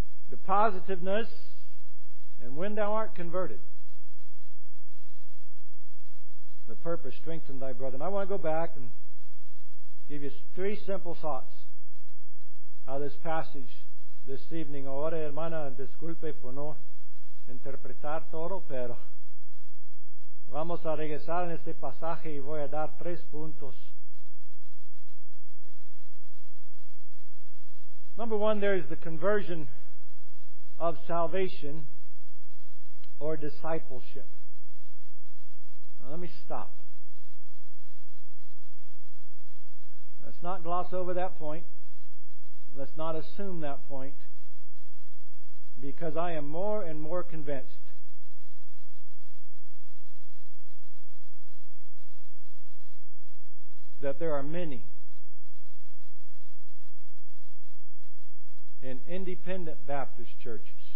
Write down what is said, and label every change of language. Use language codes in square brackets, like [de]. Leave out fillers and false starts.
[en] The positiveness, "And when thou art converted, the purpose, strengthen thy brethren." I want to go back and give you three simple thoughts out of this passage this evening. [es] Ahora, hermana, disculpe por no interpretar todo, pero vamos a regresar en este pasaje y voy a dar tres puntos. [en] Number one, there is the conversion of salvation or discipleship. Now, let me stop. Let's not gloss over that point. Let's not assume that point, because I am more and more convinced that there are many in independent Baptist churches.